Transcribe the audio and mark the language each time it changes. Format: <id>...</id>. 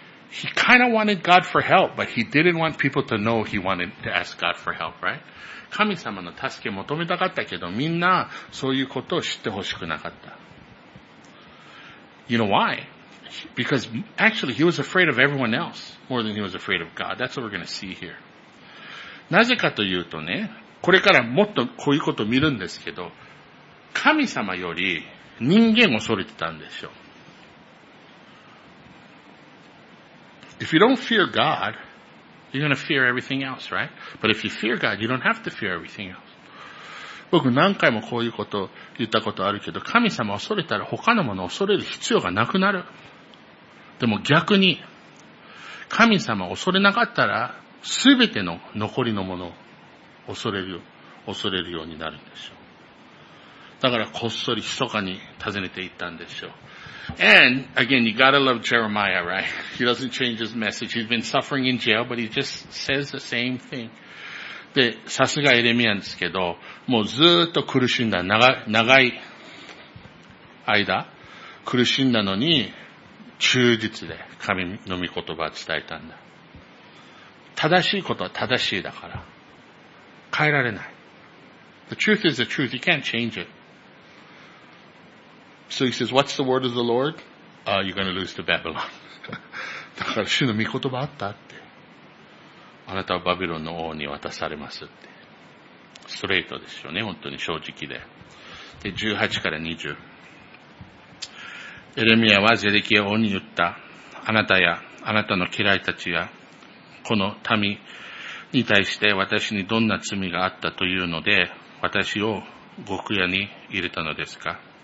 <en>He kind of wanted God for help, but he didn't want people to know he wanted to ask God for help, right?</en> <ja>神様の助け求めたかったけど、みんなそういうことを知ってほしくなかった。</ja> <en>You know why? Because actually he was afraid of everyone else more than he was afraid of God. That's what we're going to see here.</en> <ja>なぜかというとね、これからもっとこういうことを見るんですけど、神様より人間を恐れてたんですよ。</ja> <en>If you don't fear God, you're going to fear everything else, right? But if you fear God, you don't have to fear everything else.</en> <ja>僕何回もこういうこと言ったことあるけど、神様を恐れたら他のものを恐れる必要がなくなる。でも逆に神様を恐れなかったら全ての残りのものを恐れるようになるんでしょう。だからこっそり密かに訪ねていったんでしょう。</ja> <en>And again, you gotta love Jeremiah, right? He doesn't change his message. He's been suffering in jail, but he just says the same thing.</en> <ja>で、さすがエレミアですけど、もうずっと苦しんだ、長い間苦しんだのに忠実で神の御言葉を伝えたんだ。正しいことは正しいだから変えられない。</ja> <en>The truth is the truth. You can't change it. So he says, "What's the word of the Lord?" You're going to lose to Babylon.</en> <ja>だから主の御言葉あったって。あなたはバビロンの王に渡されますって。ストレートですよね。本当に正直で。で18から20。エレミアはゼデキヤ王に言った。あなたやあなたの家来たちやこの民に対して私にどんな罪があったというので私を獄屋に入れたのですか。</ja>